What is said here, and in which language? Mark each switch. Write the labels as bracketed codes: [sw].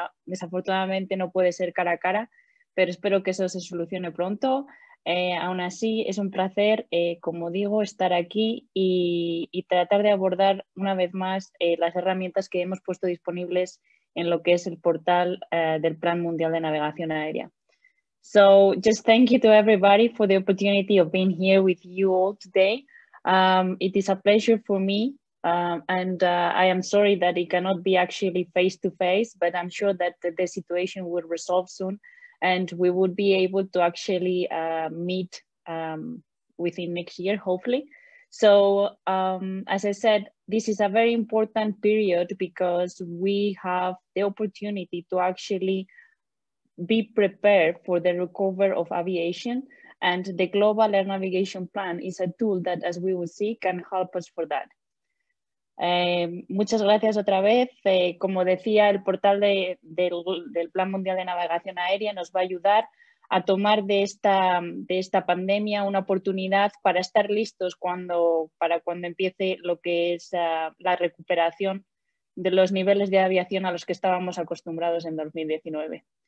[es] Desafortunadamente no puede ser cara a cara, pero espero que eso se solucione pronto. Aún así, es un placer, como digo, estar aquí y tratar de abordar una vez más las herramientas que hemos puesto disponibles en lo que es el portal del Plan Mundial de Navegación Aérea. [en] So, just thank you to everybody for the opportunity of being here with you all today. It is a pleasure for me, I am sorry that it cannot be actually face to face, but I'm sure that the situation will resolve soon and we would be able to actually meet within next year, hopefully. So, as I said, this is a very important period because we have the opportunity to actually be prepared for the recovery of aviation, and the Global Air Navigation Plan is a tool that, as we will see, can help us for that. [es] Muchas gracias otra vez. Como decía, el portal del Plan Mundial de Navegación Aérea nos va a ayudar a tomar de esta pandemia una oportunidad para estar listos cuando empiece lo que es la recuperación de los niveles de aviación a los que estábamos acostumbrados en 2019.